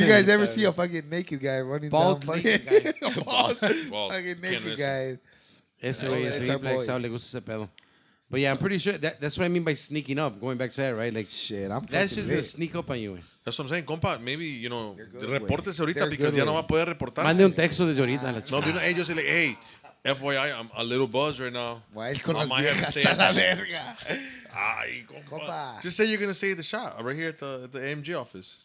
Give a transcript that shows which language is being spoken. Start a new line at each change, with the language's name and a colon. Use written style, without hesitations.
English: if you guys him. Ever see a fucking naked guy running bald down. Bald naked guy. Fucking naked guy.
Spanish: Ese güey. Le gusta ese pedo.
English: But yeah, I'm pretty sure. That's what I mean by sneaking up. Going back to that, right? Like, shit, I'm that's just going to sneak up on you. That's what I'm saying,
Spanish: compa.
English: Maybe, you know,
Spanish: reportese ahorita
English: because
Spanish: ya no va a poder reportar. Mande un texto desde ahorita a la chica.
English: No, dude,
Spanish: ellos le,
English: hey, FYI, I'm a little buzzed right now. Why
Spanish: es con las viejas a la verga? Ay, compa.
English: Just say you're going to stay at the shop right here at the AMG office.